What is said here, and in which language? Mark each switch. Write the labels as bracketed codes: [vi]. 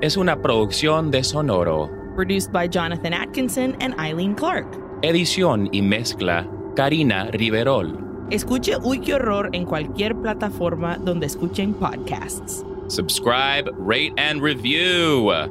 [es] Es una producción de Sonoro. [en] Produced by Jonathan Atkinson and Eileen Clark. [es] Edición y mezcla, Karina Riverol. Escuche Uy, qué horror en cualquier plataforma donde escuchen podcasts. [en] Subscribe, rate, and review.